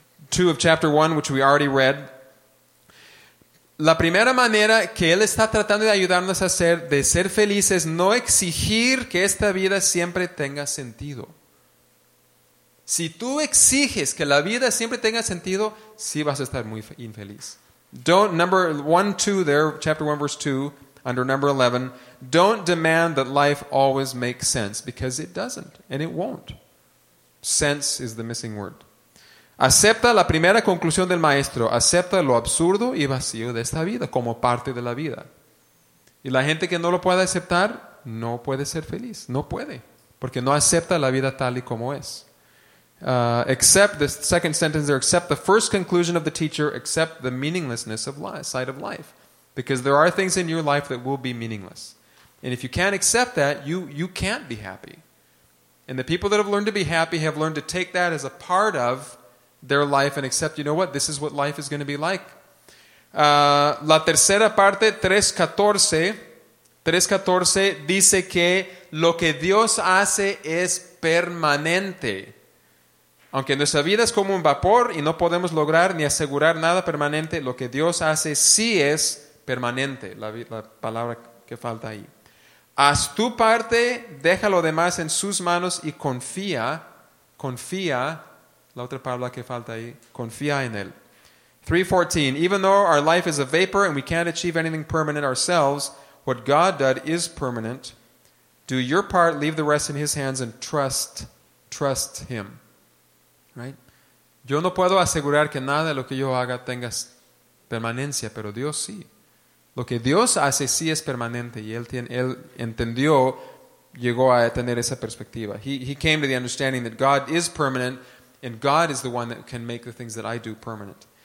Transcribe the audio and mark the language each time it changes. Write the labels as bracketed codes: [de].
[en] 2 of chapter 1, which we already read. [es] La primera manera que él está tratando de ayudarnos a hacer, de ser felices, no exigir que esta vida siempre tenga sentido. Si tú exiges que la vida siempre tenga sentido, sí vas a estar muy infeliz. [en] Don't, number 1, 2 there, chapter 1, verse 2, under number 11, don't demand that life always make sense, because it doesn't, and it won't. Sense is the missing word. [es] Acepta la primera conclusión del maestro. Acepta lo absurdo y vacío de esta vida como parte de la vida. Y la gente que no lo pueda aceptar no puede ser feliz. No puede. Porque no acepta la vida tal y como es. [en] Accept the second sentence there. Accept the first conclusion of the teacher. Accept the meaninglessness of life, side of life. Because there are things in your life that will be meaningless. And if you can't accept that, you can't be happy. And the people that have learned to be happy have learned to take that as a part of their life and accept, you know what, this is what life is going to be like. [es] La tercera parte, 3:14, dice que lo que Dios hace es permanente. Aunque nuestra vida es como un vapor y no podemos lograr ni asegurar nada permanente, lo que Dios hace sí es permanente, la palabra que falta ahí. Haz tu parte, deja lo demás en sus manos y confía. La otra palabra que falta ahí, confía en él. [en] 3:14, even though our life is a vapor and we can't achieve anything permanent ourselves, what God does is permanent. Do your part, leave the rest in his hands and trust him. Right? [es] Yo no puedo asegurar que nada de lo que yo haga tenga permanencia, pero Dios sí. Lo que Dios hace sí es permanente y él entendió, llegó a tener esa perspectiva. [en] He came to the understanding that God is permanent. And God is the one that can make the things that I do permanent.